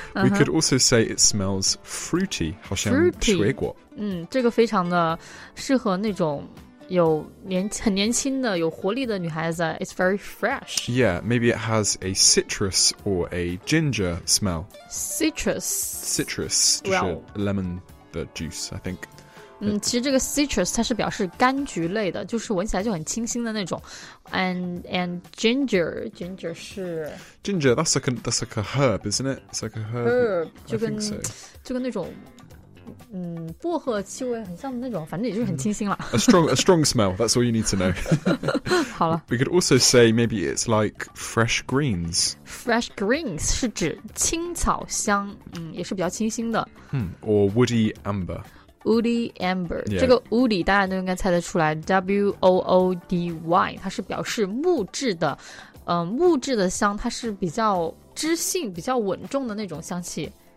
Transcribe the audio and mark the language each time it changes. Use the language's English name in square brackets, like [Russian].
[English] We could also say it smells fruity, [Chinese] 好像水果。这个非常的适合那种有很年轻的有活力的女孩子。 [English] It's very fresh. Yeah, maybe it has a citrus or a ginger smell. Citrus, 就是 lemon 的 juice, I think. [Chinese] 其实这个 citrus 它是表示柑橘类的，就是闻起来就很清新的那种。 [English] And ginger 是 ginger, that's like a herb, isn't it? It's like a herb, [Chinese] 就跟那种薄荷气味很像的那种，反正也就是很清新了。 [English] A strong smell, that's all you need to know. [Chinese] 好了。 [English] We could also say maybe it's like fresh greens. [Chinese] Fresh greens 是指青草香，也是比较清新的。 [English] Or woody amber Woody Amber、 yeah. [Chinese] 这个 Woody 大家都应该猜得出来， W-O-O-D-Y 它是表示木质的、木质的香，它是比较知性比较稳重的那种香气。